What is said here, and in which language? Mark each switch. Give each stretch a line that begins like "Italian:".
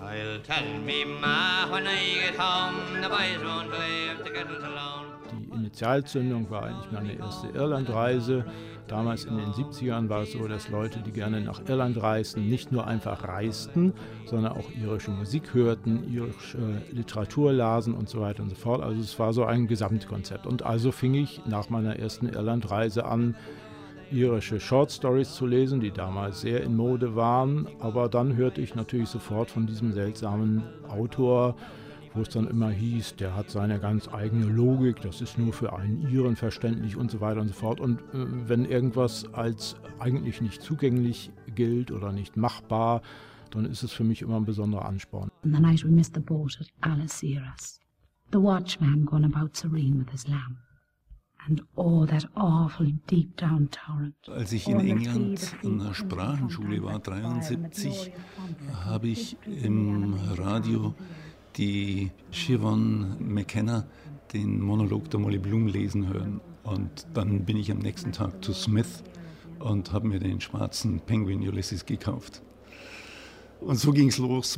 English: I'll tell me ma when I get home, the boys won't live to get us alone.
German: Die Initialzündung war eigentlich meine erste Irlandreise. Damals in den 70ern war es so, dass Leute, die gerne nach Irland reisten, nicht nur einfach reisten, sondern auch irische Musik hörten, irische Literatur lasen und so weiter und so fort. Also es war so ein Gesamtkonzept. Und also fing ich nach meiner ersten Irlandreise an, irische Short Stories zu lesen, die damals sehr in Mode waren. Aber dann hörte ich natürlich sofort von diesem seltsamen Autor, wo es dann immer hieß, der hat seine ganz eigene Logik, das ist nur für einen Iren verständlich und so weiter und so fort. Und wenn irgendwas als eigentlich nicht zugänglich gilt oder nicht machbar, dann ist es für mich immer ein besonderer Ansporn.
English: In the night we missed the boat at Algeciras. The watchman going about serene with his lamp. And oh, that awful deep down torrent.
German: Als ich in England in der Sprachenschule war, 1973, habe ich im Radio die Siobhan McKenna den Monolog der Molly Bloom lesen hören. Und dann bin ich am nächsten Tag zu Smith und habe mir den schwarzen Penguin Ulysses gekauft. Und so ging es los.